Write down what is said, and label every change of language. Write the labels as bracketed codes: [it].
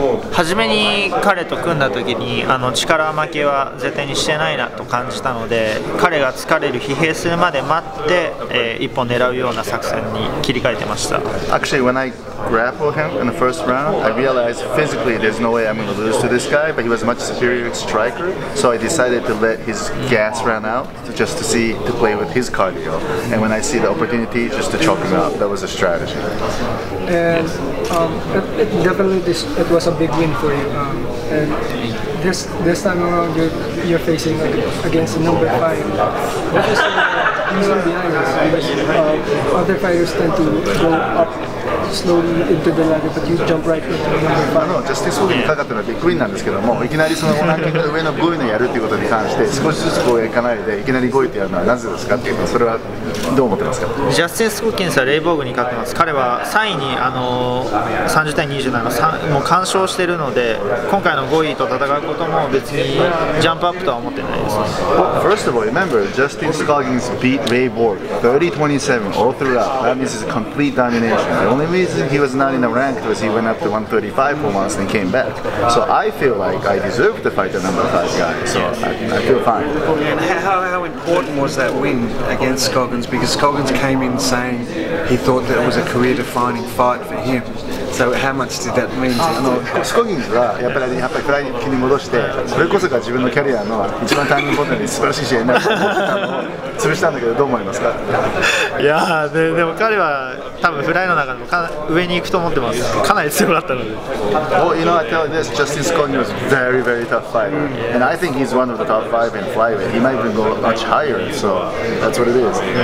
[ja] 初めに彼と組んだ時に力負けは絶対にしてないなと感じたので、彼が疲れる疲弊するまで待って、一本狙うような作戦に切り替えてました。 [en] Actually, when I grappled him in the first round, I realized physically there's no way I'm going to lose to this guy, but he was a much superior striker, so I decided to let his gas run out just to see, to play with his cardio, and when I see the opportunity, just to chop him up. That was a strategy. And it was a big win for you. This time around, you're facing against number five. What is the reason behind this? Because other fighters tend to go up slowly into the ladder, but you jump right into the number five. No, just this one, [ja] かかったのはビッグウィンなんですけども、いきなりそのランキングの上の5位のやるっていうことに関して、少しずつこういかないで、いきなり5位ってやるのはなぜですかっていうのは、それはどう思ってますか？ジャスティン・スコーキンスはレイボーグに勝ってます。彼は3位に30対27、もう完勝しているので、今回の5位と戦うことも別にジャンプアップとは思ってないです。 [en] Well, first of all, remember, Justin Scoggins beat Ray Borg 30-27 all throughout. That means it's complete domination. The only reason he was not in the rank was he went up to 135 for once and came back. So I feel like I deserve to fight the number 5 guy. So I feel fine. And how important was that win against Scoggins? Because Scoggins came in saying he thought that it was a career-defining fight for him. So how much did that mean to him? [ja] Scoggins はやっぱりフライキに戻して、それこそが自分のキャリアの一番ターニングポイントに素晴らしい試合になると潰したんだけど、どう思いますか？いやー、でも彼は多分フライの中でも上に行くと思ってます。かなり強かったので。 [en] Well, you know, I tell you this, Justin Scoggins was a very, very tough fighter. Mm. And I think he's one of the top five in flyweight. He might even go much higher, so that's what it is.